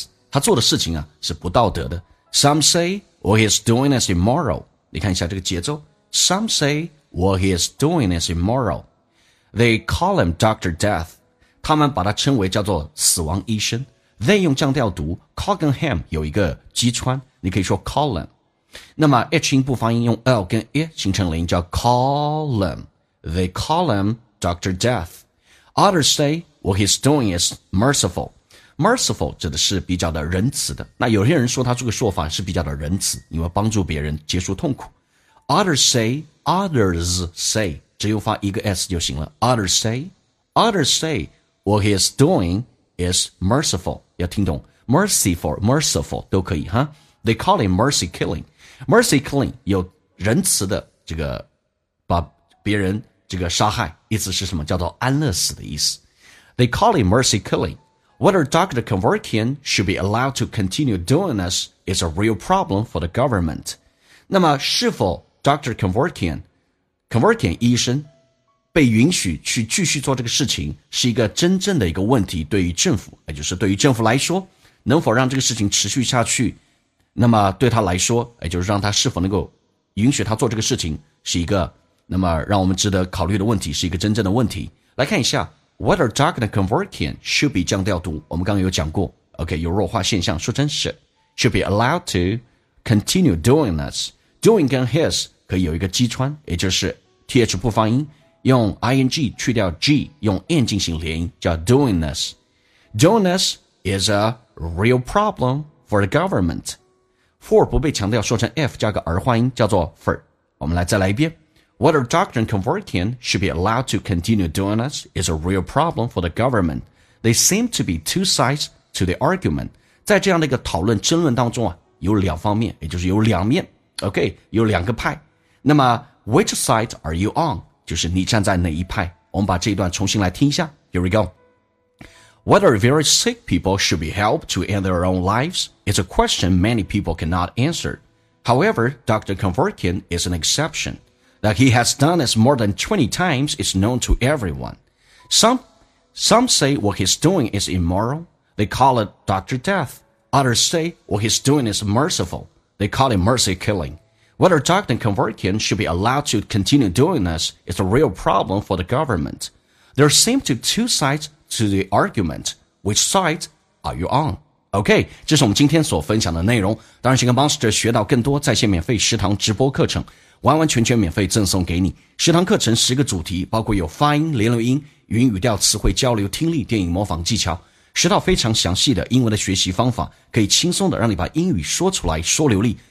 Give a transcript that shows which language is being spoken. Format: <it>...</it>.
<zh>他做的事情啊是不道德的。</zh> <en>Some say what he is doing is immoral.</en> <zh>你看一下这个节奏。</zh> <en>Some say what he is doing is immoral. They call him Dr. Death.</en> <zh>他们把他称为叫做死亡医生。 They 用降调读 call 跟 him 有一个击穿你可以说</zh> <en>call him</en> <zh>那么 h 音不发音用 l 跟 e 形成连音叫 call him</zh> <en>They call him Dr. Death. Others say what he's doing is merciful.</en> <zh>Merciful 指的是比较的仁慈的。那有些人说他这个说法是比较的仁慈，因为帮助别人结束痛苦。</zh> <en>Others say,</en> <zh>只有发一个 S 就行了。</zh> <en>Others say, what he is doing is merciful.</en> <zh>要听懂 merciful 都可以哈。</zh> <en>They call him mercy killing.</en> <zh>Mercy killing 有仁慈的这个把别人这个杀害，意思是什么？叫做安乐死的意思。</zh> <en>They call him mercy killing. Whether Dr. Kevorkian should be allowed to continue doing this is a real problem for the government.</en> <zh>那么是否 Dr. Kevorkian 医生被允许去继续做这个事情是一个真正的一个问题，对于政府，也就是对于政府来说，能否让这个事情持续下去，那么对他来说，也就是让他是否能够允许他做这个事情，是一个那么让我们值得考虑的问题，是一个真正的问题。来看一下</zh> <en>Whether Dr. Kevorkian should be</en> <zh>降调读，我们刚刚有讲过 OK 有弱化现象，说真是</zh> <en>should be allowed to continue doing this.</en> <zh>Doing 跟 his 可以有一个击穿，也就是 TH 不发音，用 ING 去掉 G， 用 N 进行连音，叫</zh> <en>doing this. Doing this is a real problem for the government.</en> <zh>For 不被强调，说成 F 加个儿化音，叫做 for。我们来再来一遍，</zh> <en>Whether Dr. Kevorkian should be allowed to continue doing this is a real problem for the government. They seem to be two sides to the argument.</en> <zh>在这样的一个讨论争论当中啊，有两方面，也就是有两面。 OK， 有两个派。那么 ，</zh> <en>which side are you on？</en> <zh>就是你站在哪一派？我们把这一段重新来听一下。</zh> <en>Here we go. Whether very sick people should be helped to end their own lives is a question many people cannot answer. However, Dr. Kevorkian is an exception. That he has done this more than 20 times is known to everyone. Some say what he's doing is immoral. They call it Dr. Death. Others say what he's doing is merciful. They call it mercy killing. Whether Dr. Kevorkian should be allowed to continue doing this is a real problem for the government. There seem to be two sides to the argument. Which side are you on?</en> <zh>OK， 这是我们今天所分享的内容。当然，想跟 Monster 学到更多在线免费食堂直播课程，完完全全免费赠送给你。食堂课程十个主题，包括有发音、连留音、语音语调、词汇交流、听力、电影模仿技巧，十套非常详细的英文的学习方法，可以轻松的让你把英语说出来，说流利。</zh>